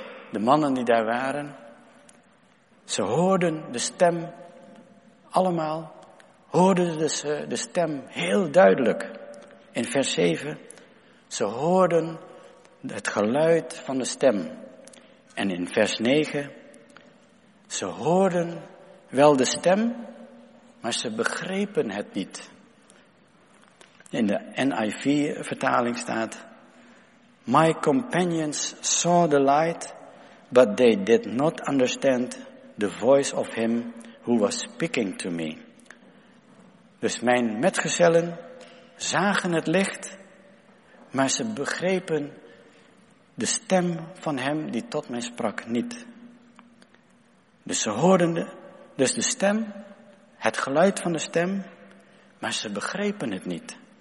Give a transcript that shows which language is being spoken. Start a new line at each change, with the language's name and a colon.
Dutch: De mannen die daar waren, ze hoorden de stem allemaal, hoorden ze de stem heel duidelijk. In vers 7, ze hoorden het geluid van de stem. En in vers 9, ze hoorden wel de stem, maar ze begrepen het niet. In de NIV-vertaling staat,
English: my companions saw the light, but they did not understand the voice of him who was speaking to me.
Dutch: Dus mijn metgezellen zagen het licht, maar ze begrepen de stem van hem die tot mij sprak niet. Dus ze hoorden de stem, het geluid van de stem, maar ze begrepen het niet.